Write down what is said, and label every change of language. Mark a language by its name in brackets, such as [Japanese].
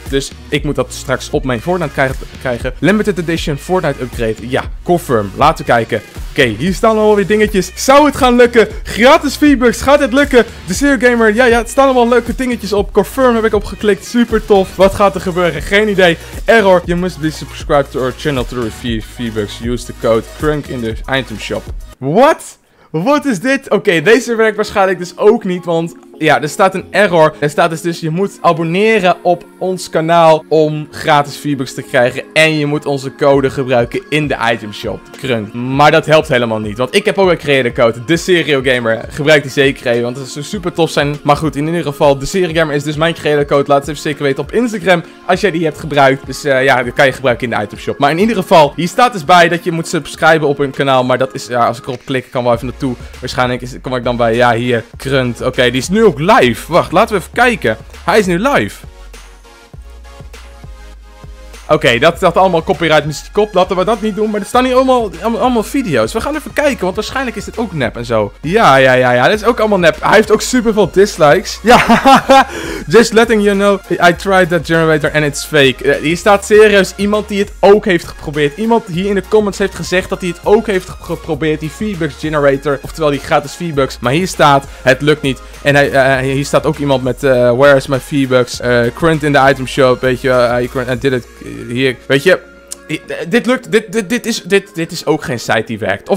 [Dutch] Dus ik moet dat straks op mijn Fortnite krijgen. Limited Edition Fortnite upgrade. Ja, confirm. Laten we kijken. Oké, hier staan alweer dingetjes. Zou het gaan lukken? Gratis V-Bucks, gaat het lukken? De Serial Gamer, ja, het staan allemaal leuke dingetjes op. Confirm heb ik opgeklikt, super tof. Wat gaat er gebeuren? Geen idee. [English] Error, you must be subscribed to our channel to receive V-Bucks. Use the code CRUNK in the item shop. What? [Dutch] Wat is dit? Oké, deze werkt waarschijnlijk dus ook niet, want ja, er staat een error. Er staat dus, je moet abonneren op ons kanaal om gratis V-Bucks te krijgen. En je moet onze code gebruiken in de itemshop, Krunk. Maar dat helpt helemaal niet, want ik heb ook een creator code. De Serial Gamer. Gebruik die zeker even, want dat zou super tof zijn. Maar goed, in ieder geval, de Serial Gamer is dus mijn creator code. Laat het even zeker weten op Instagram als jij die hebt gebruikt. Dus dat kan je gebruiken in de itemshop. Maar in ieder geval, hier staat dus bij dat je moet subscriben op hun kanaal. Maar dat is, ja, als ik erop klik, kan wel even naartoe. Waarschijnlijk kom ik dan bij, ja, hier, Krunk. Oké, die is nu ook live. Wacht, laten we even kijken. Hij is nu live. Oké, dat allemaal copyright mis die kop. Laten we dat niet doen. Maar er staan hier allemaal video's. We gaan even kijken, want waarschijnlijk is dit ook nep en zo. Ja. Dit is ook allemaal nep. Hij heeft ook superveel dislikes. [English] Ja, just letting you know, I tried that generator and it's fake. [Dutch] Hier staat serieus iemand die het ook heeft geprobeerd. Iemand hier in de comments heeft gezegd dat hij het ook heeft geprobeerd. Die V-Bucks generator. Oftewel die gratis V-Bucks. Maar hier staat, het lukt niet. En hier staat ook iemand met, [English] where is my V-Bucks? Crunk in the item shop. [Dutch] Weet je, [English] I did it. [Dutch] Hier, weet je, dit lukt, dit is ook geen site die werkt.